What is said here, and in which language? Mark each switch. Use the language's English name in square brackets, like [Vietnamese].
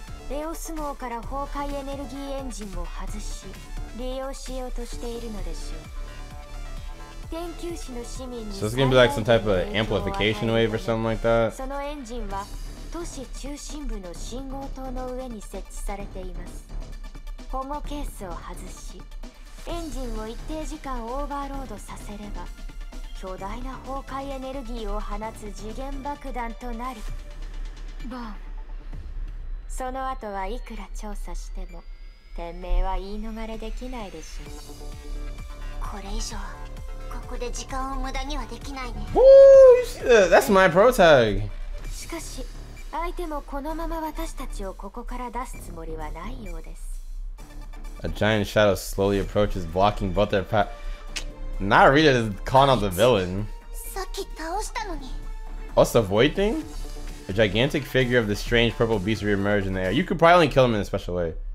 [Japanese] エオスモーから崩壊エネルギーエンジンを外し利用しようとしているのでしょう。電球師の市民に。 [English] So it's gonna be like some type of amplification wave or something like that. [Japanese] そのエンジンは都市中心部の信号灯の上に設置されています。保護ケースを外し、エンジンを一定時間オーバーロードさせれば、巨大な崩壊エネルギーを放つ次元爆弾となる。ボン。その後はいくら調査しても天命は言い逃れできないでしょう。これ以上ここで時間を無駄にはできないね。 [English] That's my pro tag. [Japanese] しかし相手もこのまま私たちをここから出すつもりはないようです。 [English] A giant shadow slowly approaches, blocking both their path. Not Rita is calling out the villain. [Japanese] さっき倒したのに。 [English] What's the void thing? A gigantic figure of the strange purple beast reemerged in the air. You could probably only kill him in a special way.